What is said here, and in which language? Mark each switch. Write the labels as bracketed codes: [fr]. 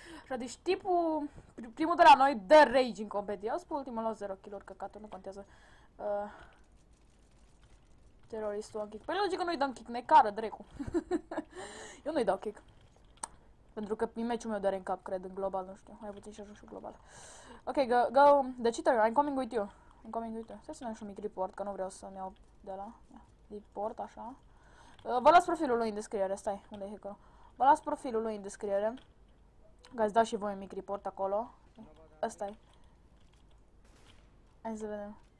[ro] Așa, deci tipul, primul de la noi, dă rage în competiție. Eu sunt pe ultimul loc, 0 kill-uri, căcatul, nu contează. Teroristul un kick. Păi logic că nu-i dăm kick, ne cară dracu. Eu nu-i dau kick. Pentru că meciul meu doare în cap, cred, în global, nu știu. Mai puțin și ajung și global. [en] Ok, go, the cheater, I'm coming with you. I'm coming with you. [ro] Să nu un mic report, că nu vreau să-mi iau de la report, așa. Vă las profilul lui în descriere, stai, unde e hacker-ul? Vă las profilul lui în descriere. Ați dat și voi un mic report acolo. Ăsta e. Hai să vedem.